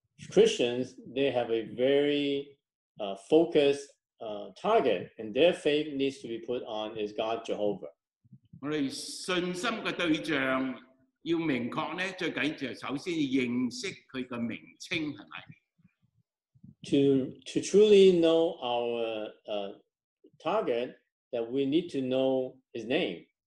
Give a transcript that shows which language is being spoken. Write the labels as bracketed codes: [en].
[en] Christians, they have a very focused target, and their faith needs to be put on is God Jehovah. [yue] 我哋信心嘅對象。要明確呢，最緊要首先認識佢個名稱係咪？ [en] To truly know our target, that we need to know his name.